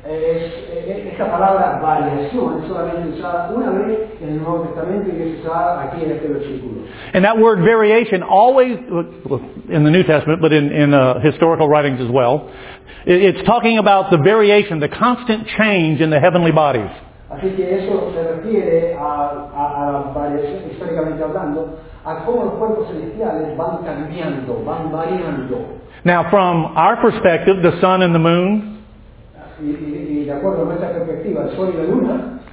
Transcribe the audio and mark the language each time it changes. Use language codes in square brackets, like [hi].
[en] And that word variation always, in the New Testament, but in historical writings as well, it's talking about the variation, the constant change in the heavenly bodies. [es] Así que eso se refiere a variación, históricamente hablando, a cómo los cuerpos celestiales van cambiando, van variando. [en] Now, from our perspective, the sun and the moon [es] y de acuerdo a nuestra perspectiva, el sol y la luna